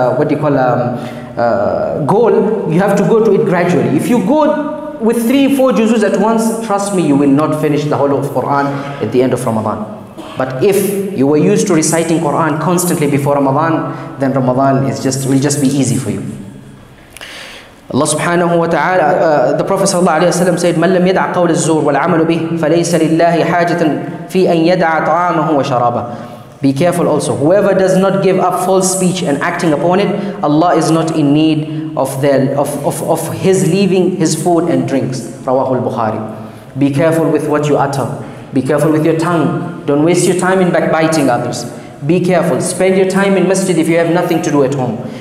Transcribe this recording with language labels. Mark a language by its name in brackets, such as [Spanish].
[English] You have to aim to that goal. You have to go to it gradually. If you go with 3-4 juzus at once, trust me, you will not finish the whole of Quran at the end of Ramadan. But if you were used to reciting Quran constantly before Ramadan, then Ramadan will just be easy for you. [Arabic] Allah subhanahu wa ta'ala, the Prophet sallallahu alayhi wa sallam said, مَنْ لَمْ يَدْعَ قَوْلَ الزُّورِ وَالْعَمَلُ بِهِ فَلَيْسَ لِلَّهِ حَاجَةً فِي أَنْ يَدْعَ طَعَامَهُ وَشَرَابَهُ. [English] Be careful also. Whoever does not give up false speech and acting upon it, Allah is not in need of his leaving his food and drinks. Rawahu al-Bukhari. Be careful with what you utter. Be careful with your tongue. Don't waste your time in backbiting others. Be careful. Spend your time in masjid if you have nothing to do at home.